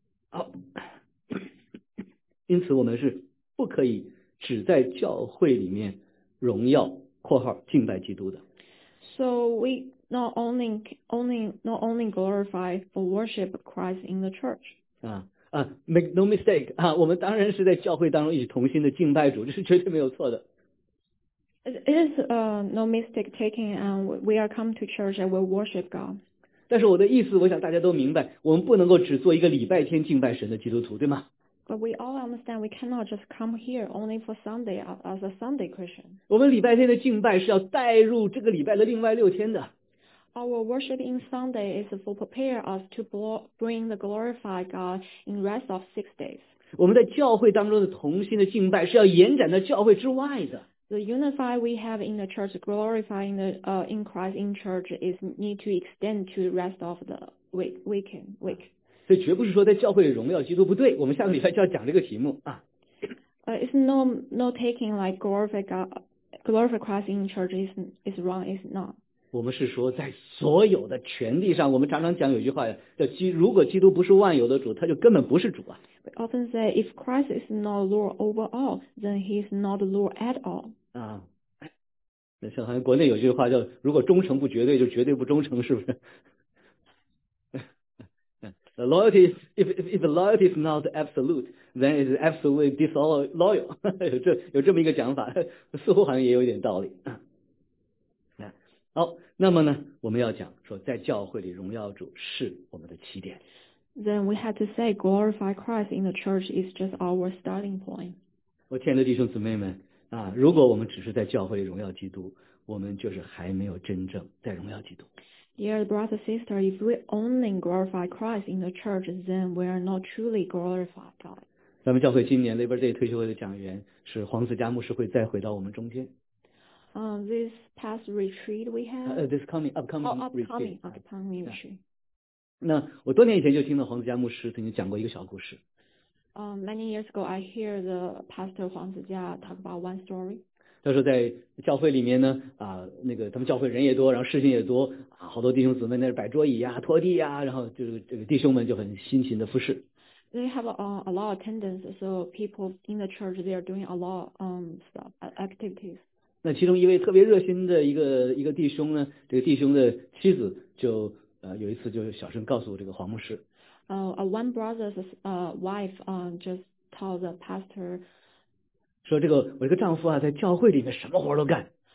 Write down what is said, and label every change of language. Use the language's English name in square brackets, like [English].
[Chinese] 好，因此我们是不可以只在教会里面荣耀（括号敬拜基督）的。 [English] So we not only glorify or worship Christ in the church. [Chinese] 啊。 [English] Make no mistake [Chinese] 啊，我们当然是在教会当中一起同心的敬拜主，这是绝对没有错的。 [English] It is no mistake taking and we are come to church and we worship God. [Chinese] 但是我的意思，我想大家都明白，我们不能够只做一个礼拜天敬拜神的基督徒，对吗 [English] ？But we all understand we cannot just come here only for Sunday as a Sunday Christian. [Chinese] 我们礼拜天的敬拜是要带入这个礼拜的另外六天的。 [English] Our worship in Sunday is for prepare us to bring the glorified God in rest of 6 days. [Chinese] 我们在教会当中的同心的敬拜是要延展到教会之外的。 [English] The unified we have in the church, glorifying the in Christ in church, is need to extend to rest of the week. [Chinese] 所以绝不是说在教会荣耀基督不对，我们下个礼拜就要讲这个题目啊。 [English] It's no taking like glorify Christ in church is wrong, is not. [Chinese] 我们是说，在所有的权利上，我们常常讲有句话叫“如果基督不是万有的主，他就根本不是主啊。” [English] We often say, if Christ is not Lord over all, then he is not Lord at all. [Chinese] 啊，那像好像国内有句话叫“如果忠诚不绝对，就绝对不忠诚”，是不是？ [English] The loyalty if the loyalty is not absolute, then it is absolutely disloyal. [Chinese] 有这么一个讲法，似乎好像也有一点道理。好，那么呢，我们要讲说，在教会里荣耀主是我们的起点。 [English] Then we have to say glorify Christ in the church is just our starting point. [Chinese] 我亲爱的弟兄姊妹们啊，如果我们只是在教会里荣耀基督，我们就是还没有真正在荣耀基督。 [English] Dear brother sister, if we only glorify Christ in the church, then we are not truly glorify God. [Chinese] 咱们教会今年 Labor Day 退休会的讲员是黄思嘉牧师，会再回到我们中间。 [English] This past retreat we have. This upcoming retreat. [Chinese] 那我多年以前就听到黄子佳牧师曾经讲过一个小故事。 [English] Many years ago, I hear the pastor 黄子佳 talk about one story. [Chinese] 他说在教会里面呢，那个他们教会人也多，然后事情也多，好多弟兄姊妹那摆桌椅呀、拖地呀，然后就是这个弟兄们就很辛勤的服侍。 [English] They have a lot of attendance, so people in the church they are doing a lot stuff activities. [Chinese] 那其中一位特别热心的一个弟兄呢，这个弟兄的妻子就有一次就小声告诉这个黄牧师。 [English] One brother's wife just told the pastor. [Chinese] 说这个我这个丈夫啊，在教会里面什么活都干。